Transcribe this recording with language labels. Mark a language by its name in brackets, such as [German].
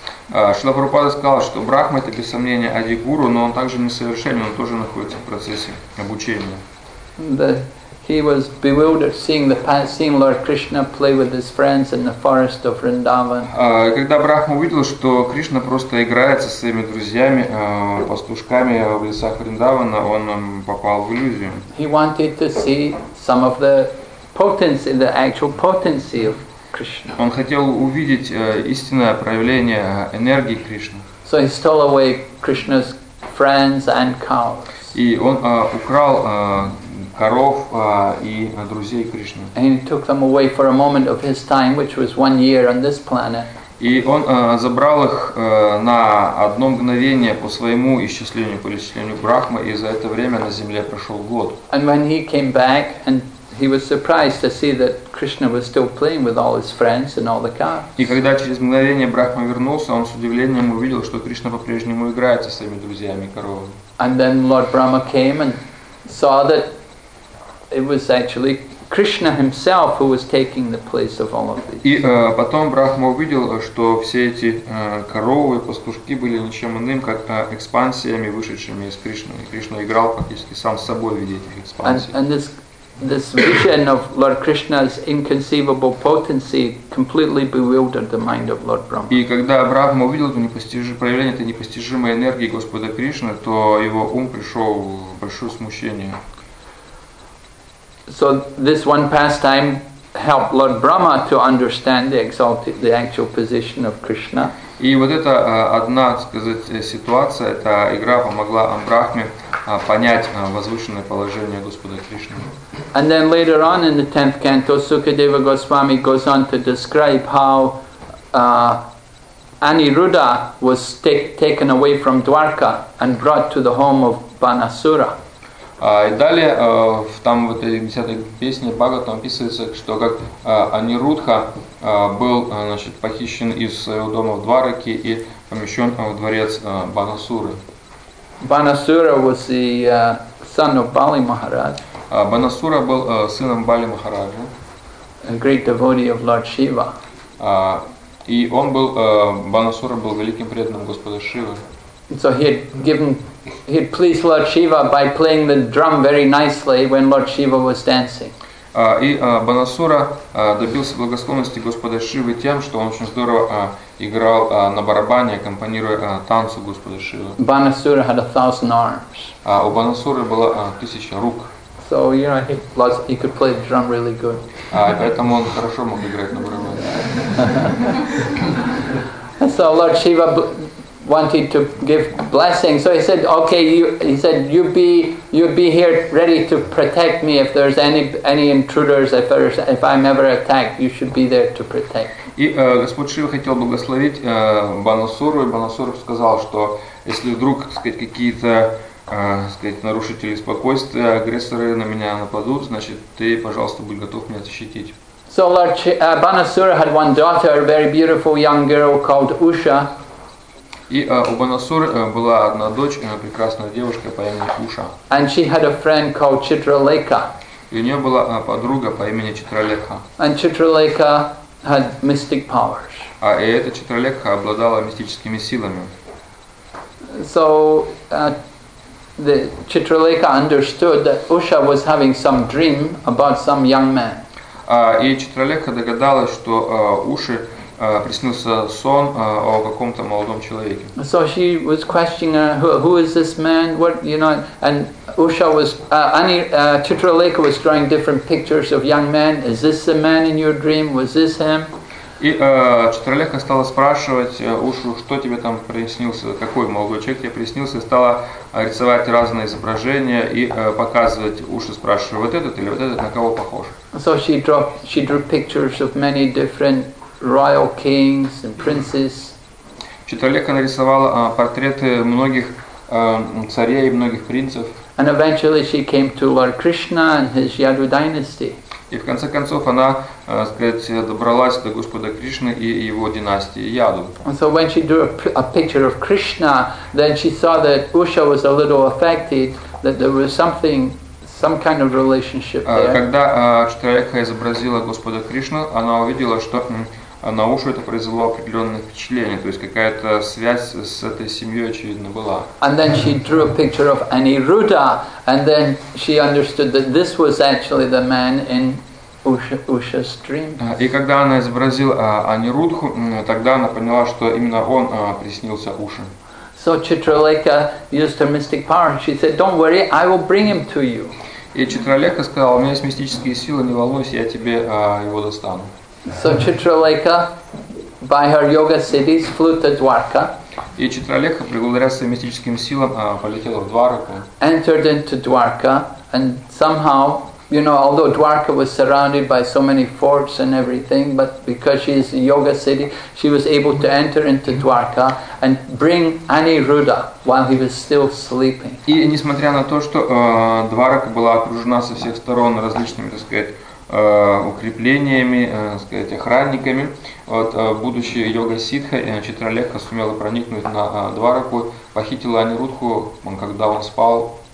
[Russian] Шрила Прабхупада сказал, что Брахма это без сомнения Ади Гуру, но он также несовершенен, он тоже находится в процессе обучения. [English] He was bewildered seeing Lord Krishna play with his friends in the forest of Vrindavan. [Russian] Когда Брахма увидел, что Кришна просто играет со своими друзьями, пастушками в лесах Вриндавана, он попал в иллюзию. [English] He wanted to see some of the potency, the actual potency of Krishna. [Russian] Он хотел увидеть истинное проявление энергии Кришны. [English] So he stole away Krishna's friends and cows. [Russian] И он украл коров и друзей Кришны. [English] And he took them away for a moment of his time, which was 1 year on this planet. [Russian] И он забрал их на одно мгновение по своему исчислению, по исчислению Брахмы, и за это время на земле прошел год. [English] And when he came back, and he was surprised to see that Krishna was still playing with all his friends and all the cows. [Russian] И когда через мгновение Брахма вернулся, он с удивлением увидел, что Кришна по-прежнему играет со своими друзьями и коровами. [English] And then Lord Brahma came and saw that it was actually Krishna himself who was taking the place of all of these. [Russian] И потом Брахма увидел, что все эти коровы, пастушки были ничем иным, как экспансиями, вышедшими из Кришны. И Кришна играл практически сам с собой в виде этих экспансий. [English] And this vision of Lord Krishna's inconceivable potency completely bewildered the mind of Lord Brahma. [Russian] И когда Брахма увидел это непостижимое проявление этой непостижимой энергии Господа Кришны, то его ум пришел в большое смущение. [English] So this one pastime helped Lord Brahma to understand the actual position of Krishna. [Russian] И вот эта одна, так сказать, ситуация, эта игра помогла Брахме понять возвышенное положение Господа Кришны. [English] And then later on in the 10th canto, Sukadeva Goswami goes on to describe how Aniruddha was taken away from Dwarka and brought to the home of Banasura. [Russian] И далее в там в этой 10-й песне Бхагаватам описывается, что как Анирудха был, значит, похищен из своего дома в Двараке и помещен в дворец Банасуры. [English] Банасура was the son of Бали Махарадж. [Russian] Банасура был сыном Бали Махараджа. [English] A great devotee of Lord Shiva. [Russian] И он был Банасура был великим преданным Господа Шивы. [English] So he had given, he had pleased Lord Shiva by playing the drum very nicely when Lord Shiva was dancing. [Russian] И Банасура добился благосклонности Господа Шивы тем, что он очень здорово играл на барабане, аккомпанируя танцу Господа Шивы. [English] Банасура had 1,000 arms. [Russian] У Банасуры было 1,000 рук. [English] So you know he could play the drum really good. [Russian] Поэтому он хорошо мог играть на барабане. [English] So Lord Shiva wanted to give blessing, so he said, "Okay, you." He said, "You be here, ready to protect me if there's any intruders. If I'm ever attacked, you should be there to protect." [Russian] И Господь Шива хотел благословить Банасуру, и Банасуру сказал, что если вдруг, так сказать, какие-то, сказать, нарушители спокойствия, агрессоры на меня нападут, значит, ты, пожалуйста, будь готов меня защитить. [English] So Lord Banasura had one daughter, a very beautiful young girl called Usha. [Russian] И у Банасуры была одна дочь, прекрасная девушка по имени Уша. [English] And she had a friend called Chitraleka. [Russian] И у нее была подруга по имени Читралекха. [English] And Chitraleka had mystic powers. [Russian] И эта Читралекха обладала мистическими силами. [English] So the Chitraleka understood that Usha was having some dream about some young man. [Russian] И Читралекха догадалась, что Уши приснился сон о каком-то молодом человеке. [English] So she was questioning who is this man? What, you know, and Usha was Chitraleka was drawing different pictures of young men. Is this the man in your dream? Was this him? [Russian] И Читралека стала спрашивать Ушу, что тебе там приснился, какой молодой человек тебе приснился, и стала рисовать разные изображения и показывать Ушу, спрашивая, вот этот или вот этот, на кого похож. [English] So she drew pictures of many different royal kings and princes. [Russian] Читралека нарисовала портреты многих царей и многих принцев. [English] And eventually she came to Lord Krishna and his Yadu dynasty. [Russian] И в конце концов она, сказать, добралась до Господа Кришны и его династии Яду. [English] And so when she drew a picture of Krishna, then she saw that Usha was a little affected, that there was something, some kind of relationship there. [Russian] Когда Читралека изобразила Господа Кришну, она увидела, что на Ушу это произвело определенное впечатление, то есть какая-то связь с этой семьей, очевидно, была. [English] And then she drew a picture of Aniruddha, and then she understood that this was actually the man in Usha's dream. [Russian] И когда она изобразила Анирудху, тогда она поняла, что именно он приснился Уши. [English] So Chitraleka used her mystic power. She said, "Don't worry, I will bring him to you." [Russian] И Читралека сказала: "У меня есть мистические силы, не волнуйся, я тебе его достану." [English] So Chitraleka, by her yoga siddhis, flew to Dwarka. [Russian] И Читралека, благодаря своим мистическим силам, полетела в Двараку. [English] Entered into Dwarka, and somehow, you know, although Dwarka was surrounded by so many forts and everything, but because she is a yoga city, she was able to enter into Dwarka and bring Aniruddha while he was still sleeping. [Russian] И несмотря на то, что Дварака была окружена со всех сторон различными, так сказать, укреплениями, сказать, охранниками, вот, будущая йога ситха Читралекха сумела проникнуть на Двараку, похитила Анирудху, когда он спал.